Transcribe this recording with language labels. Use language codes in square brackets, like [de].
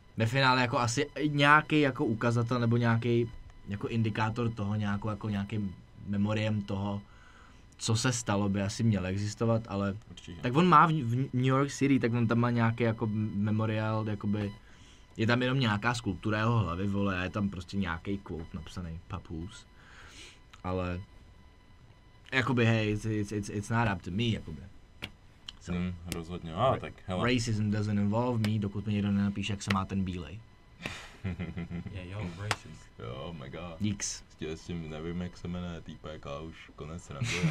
[cs] Ve finále jako asi nějaký jako ukazatel nebo nějaký jako indikátor toho, nějakou jako nějaký memoriem toho, co se stalo, by asi měl existovat, ale určitě. Tak on má v New York City, tak on tam má nějaký jako memorial, jakoby je tam jenom nějaká skulptura jeho hlavy, vole, a je tam prostě nějaký quote napsaný papus. Ale jakoby hej, [en] it's not up to me, [cs] jakoby. So, rozhodně. A tak hele. [en] Racism doesn't involve me, [cs] dokud mi někdo nenapíše, jak se má ten bílej. [en] Yeah, yo, racist. [cs] Jo, [en] oh my god. [cs] Jiks. S tím nevím, jak se jmenuje týpek, ale už konec randu.